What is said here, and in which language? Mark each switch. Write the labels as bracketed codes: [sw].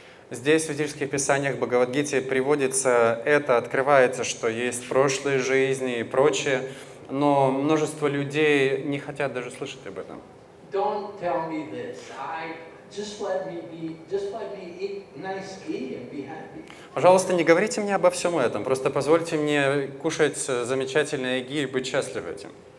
[ru] Здесь, в ведических писаниях Бхагавад-гите, приводится это, открывается, что есть прошлые жизни и прочее, но множество людей не хотят даже слышать об этом. [en] Don't tell me this. Just let me eat nice ghee and be happy. [ru] Пожалуйста, не говорите мне обо всем этом. Просто позвольте мне кушать замечательные ги и быть счастлив этим.